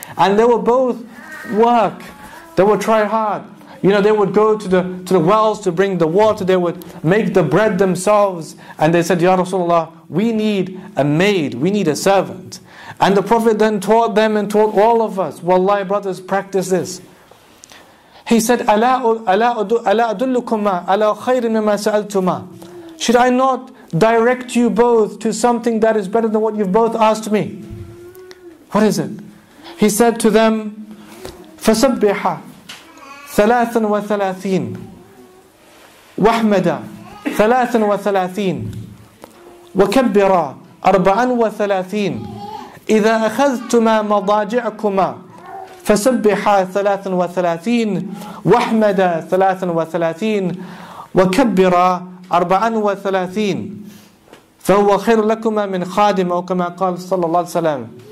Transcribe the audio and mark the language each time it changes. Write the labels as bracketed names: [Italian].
[English] And they were both work. They would try hard. You know, they would go to the wells to bring the water. They would make the bread themselves. And they said, Ya Rasulullah, we need a maid. We need a servant. And the Prophet then taught them and taught all of us, Wallahi brothers, practice this. He said, [Arabic] أَلَا أَدُلُّكُمَا أَلَا خَيْرٍ مِمَا سَأَلْتُمَا. [English] Should I not direct you both to something that is better than what you've both asked me? What is it? He said to them, [Arabic] فَسَبِّحَ ثَلَاثًا وَثَلَاثِينَ وَحْمَدَ ثَلَاثًا وَثَلَاثِينَ وَكَبِّرَ أَرْبَعًا وَثَلَاثِينَ إِذَا أَخَذْتُمَا مَضَاجِعَكُمَا فَسَبِّحَا ثَلَاثًا وَثَلَاثِينَ وَحْمَدَ ثَلَاثًا وَثَلَاثِينَ وَكَبِّرَ أَرْبَعًا وَثَلَاثِينَ فَهُوَ خَيْرٌ لَكُمَا مِنْ خَادِمَ وَكَمَا قَالَ صلى الله عليه وسلم.